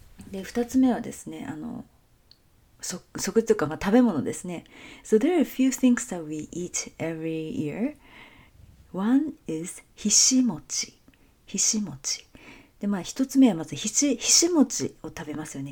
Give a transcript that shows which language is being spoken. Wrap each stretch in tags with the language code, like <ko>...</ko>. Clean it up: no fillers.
<ja>で2つ目はですね食というか、まあ、食べ物ですね。</ja> <en>So there are a few things that we eat every year. One is ひしもち。ひしもち。</en> <ja>で、まあ、1つ目はまずひしもちを食べますよね。</ja>